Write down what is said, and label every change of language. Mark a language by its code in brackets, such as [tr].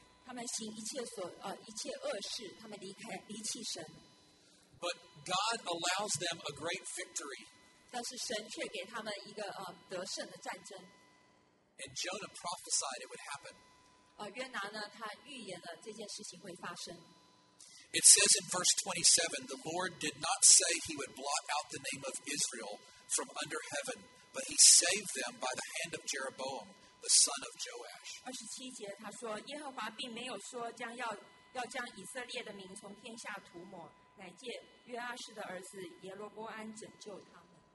[zh] 他们行一切恶事,他们离弃神。 [en] But God allows them a great victory. [zh] 但是神却给他们一个得胜的战争。 [en] And Jonah prophesied it would happen. [zh] 约拿呢,他预言了这件事情会发生。 [en] It says in verse 27, the Lord did not say he would blot out the name of Israel from under heaven, but he saved them by the hand of Jeroboam, the son of Joash. [zh] 27节, 他说, 耶和华并没有说将以色列的民从天下涂抹, 乃借约阿士的儿子耶罗波安拯救他们。